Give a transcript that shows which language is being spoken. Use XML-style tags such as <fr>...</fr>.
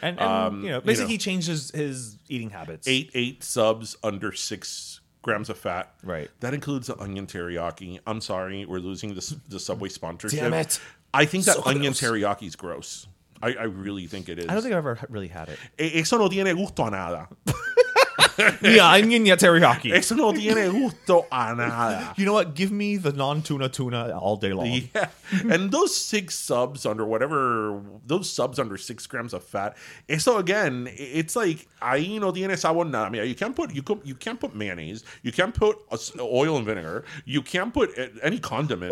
<en>And you know, basically, he changed his eating habits. Eight subs under 6 grams of fat. Right. That includes the onion teriyaki. I'm sorry, we're losing the Subway sponsorship. Damn it. I think that onion teriyaki is gross. I really think it is. I don't think I've ever really had it.</en> <es>Eso no tiene gusto a nada.</es> <en>Yeah, teriyaki.</en> <es>Eso no tiene gusto a nada.</es> <en>You know what? Give me the non-tuna all day long. Yeah. And those 6 subs under whatever, those subs under 6 grams of fat. Eso again, it's like,</en> <es>ahí no tiene sabor nada.</es> <en>I mean, you can't put mayonnaise. You can't put oil and vinegar. You can't put any condiments.</en>